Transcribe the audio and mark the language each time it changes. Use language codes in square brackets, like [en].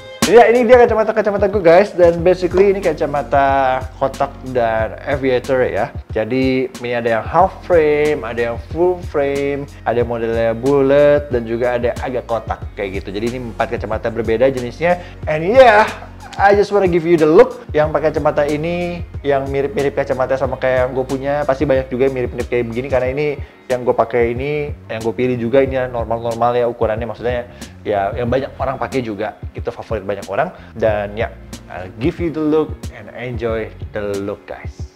[id] Ya ini dia kacamata-kacamataku guys, dan basically ini kacamata kotak dan aviator ya. Jadi ini ada yang half frame, ada yang full frame, ada modelnya bullet, dan juga ada agak kotak kayak gitu. Jadi ini 4 kacamata berbeda jenisnya. [en] And yeah, I just wanna give you the look. [id] Yang pakai kacamata ini, yang mirip-mirip kacamata sama kayak yang gue punya, pasti banyak juga yang mirip-mirip kayak begini. Karena ini yang gue pakai ini, yang gue pilih juga ini normal-normal ya ukurannya, maksudnya ya yang banyak orang pakai juga, itu favorit banyak orang. Dan ya, [en] I'll give you the look and enjoy the look guys.